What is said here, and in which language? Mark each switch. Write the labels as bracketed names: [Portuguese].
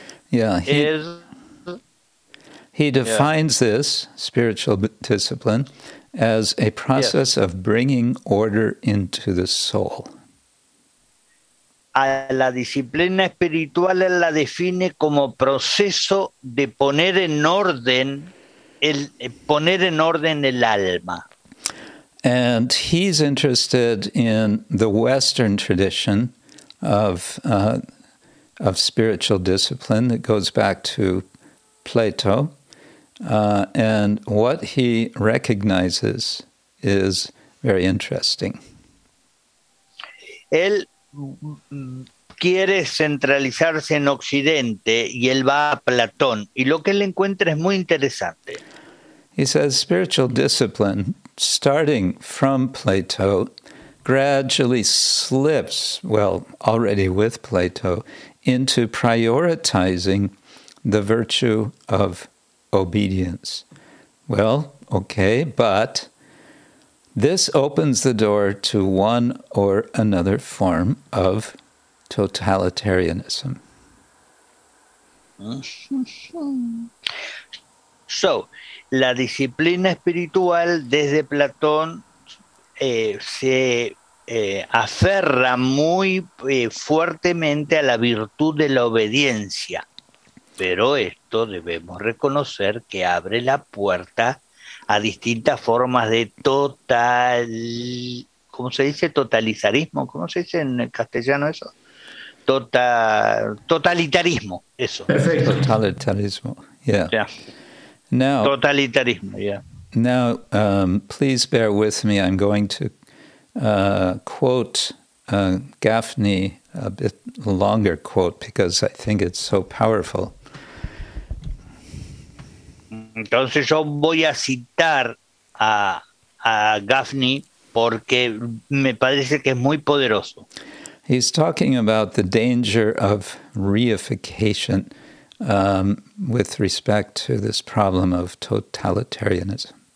[English] Yeah, he defines this spiritual discipline as a process of bringing order into the soul. [Spanish] A la disciplina espiritual la define como proceso de poner en orden. El poner en orden el alma. [English] And he's interested in the Western tradition of spiritual discipline that goes back to Plato. And what he recognizes is very interesting. [Spanish] Él quiere centralizarse en Occidente y él va a Platón. Y lo que él encuentra es muy interesante. [English] He says spiritual discipline, starting from Plato, gradually slips, well, already with Plato, into prioritizing the virtue of obedience. Well, okay, but this opens the door to one or another form of totalitarianism. [Spanish] So, la disciplina espiritual desde Platón se aferra muy fuertemente a la virtud de la obediencia. Pero esto debemos reconocer que abre la puerta a distintas formas de totalitarismo. ¿Cómo se dice en castellano eso? Totalitarismo, eso. Perfecto. Totalitarismo, yeah. [English] Yeah. Now, [Spanish] totalitarismo, yeah. [English] Now, please bear with me. I'm going to quote Gaffney a bit longer quote because I think it's so powerful. [Spanish] Entonces yo voy a citar a Gaffney porque me parece que es muy poderoso. [English] He's talking about the danger of reification. With respect to this problem of totalitarianism.